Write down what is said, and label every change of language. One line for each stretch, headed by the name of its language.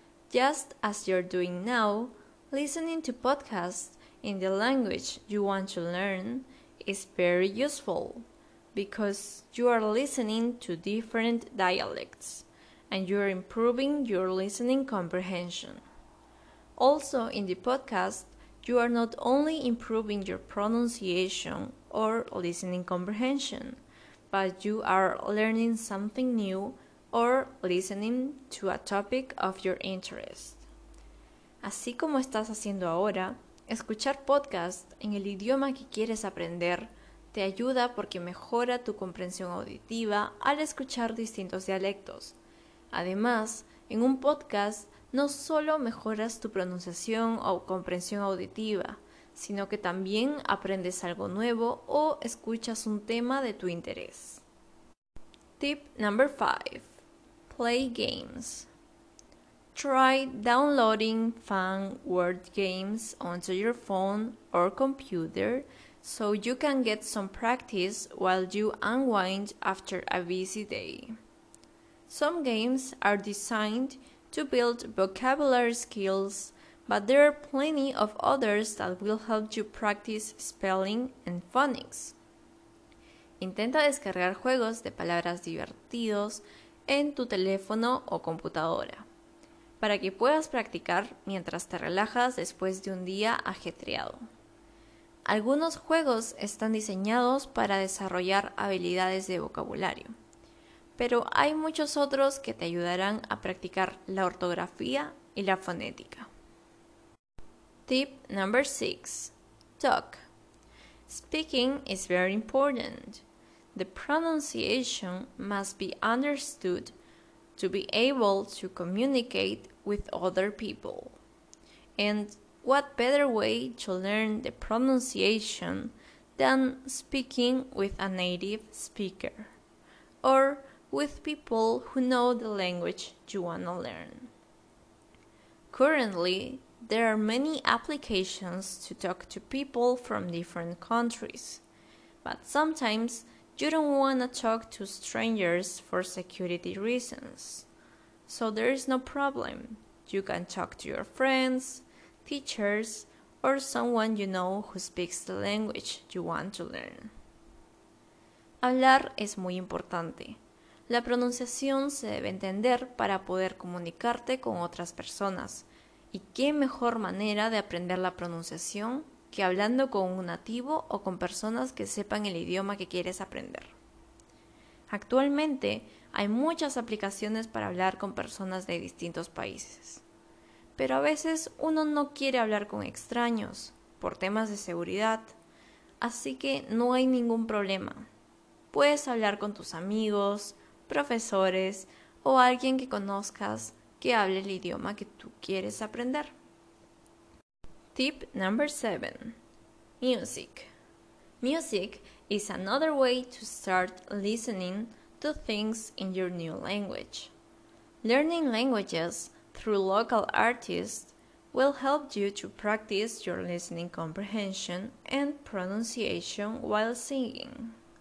English: Just as you're doing now, listening to podcasts in the language you want to learn is very useful because you are listening to different dialects and you're improving your listening comprehension. Also, in the podcast, you are not only improving your pronunciation or listening comprehension, but you are learning something new or listening to a topic of your interest.
Spanish: Así como estás haciendo ahora, escuchar podcast en el idioma que quieres aprender te ayuda porque mejora tu comprensión auditiva al escuchar distintos dialectos. Además, en un podcast no solo mejoras tu pronunciación o comprensión auditiva, sino que también aprendes algo nuevo o escuchas un tema de tu interés.
English: Tip number 5. Play games. Try downloading fun word games onto your phone or computer so you can get some practice while you unwind after a busy day. Some games are designed to build vocabulary skills, but there are plenty of others that will help you practice spelling and phonics.
Spanish: Intenta descargar juegos de palabras divertidos en tu teléfono o computadora, para que puedas practicar mientras te relajas después de un día ajetreado. Algunos juegos están diseñados para desarrollar habilidades de vocabulario, pero hay muchos otros que te ayudarán a practicar la ortografía y la fonética.
English: Tip number 6. Talk. Speaking is very important. The pronunciation must be understood to be able to communicate with other people. And what better way to learn the pronunciation than speaking with a native speaker or with people who know the language you want to learn? Currently, there are many applications to talk to people from different countries, but sometimes you don't want to talk to strangers for security reasons. So there is no problem. You can talk to your friends, teachers, or someone you know who speaks the language you want to learn.
Spanish: Hablar es muy importante. La pronunciación se debe entender para poder comunicarte con otras personas. ¿Y qué mejor manera de aprender la pronunciación que hablando con un nativo o con personas que sepan el idioma que quieres aprender? Actualmente, hay muchas aplicaciones para hablar con personas de distintos países. Pero a veces uno no quiere hablar con extraños, por temas de seguridad. Así que no hay ningún problema. Puedes hablar con tus amigos, profesores o alguien que conozcas que hable el idioma que tú quieres aprender.
English: Tip number 7. Music. Music is another way to start listening to things in your new language. Learning languages through local artists will help you to practice your listening comprehension and pronunciation while singing.